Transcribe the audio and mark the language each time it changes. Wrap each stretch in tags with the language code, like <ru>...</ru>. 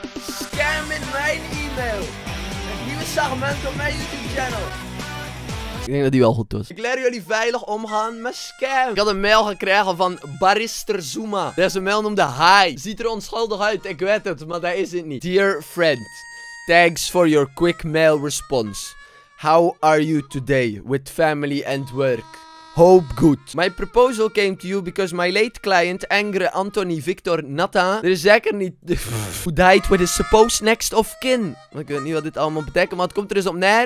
<nl>Scam in mijn e-mail. Een nieuwe segment op mijn YouTube-channel. Ik denk dat die wel goed was. Ik leer jullie veilig omgaan met scam. Ik had een mail gekregen van Barrister Zuma. Deze mail noemde hi. Ziet er onschuldig uit, ik weet het, maar dat is het niet.</nl> <en>Dear friend, thanks for your quick mail response. How are you today with family and work? Hope good. My proposal came to you because my late client, Angre Anthony Victor Nathan.</en> <nl>Er is zeker niet.</nl> <en>Who died with his supposed next of kin.</en> <nl>Ik weet niet wat dit allemaal betekent, maar het komt er eens op neer.</nl>